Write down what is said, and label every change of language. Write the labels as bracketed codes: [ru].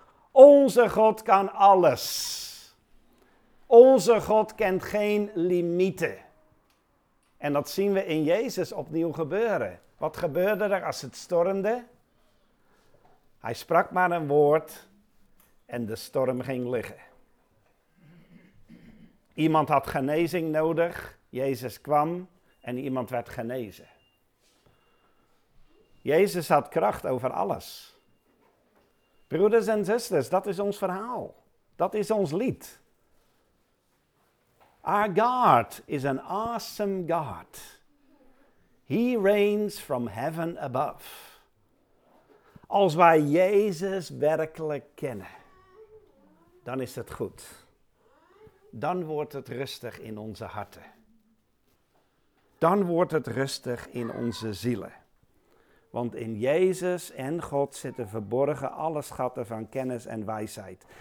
[nl] Onze God kan alles. Onze God kent geen limieten. En dat zien we in Jezus opnieuw gebeuren. Wat gebeurde er als het stormde? Hij sprak maar een woord en de storm ging liggen. Iemand had genezing nodig. Jezus kwam en iemand werd genezen. Jezus had kracht over alles. Broeders en zusters, dat is ons verhaal. Dat is ons lied. [en] Our God is an awesome God. He reigns from heaven above. [nl] Als wij Jezus werkelijk kennen, dan is het goed. Dan wordt het rustig in onze harten. Dan wordt het rustig in onze zielen. Want in Jezus en God zitten verborgen alle schatten van kennis en wijsheid.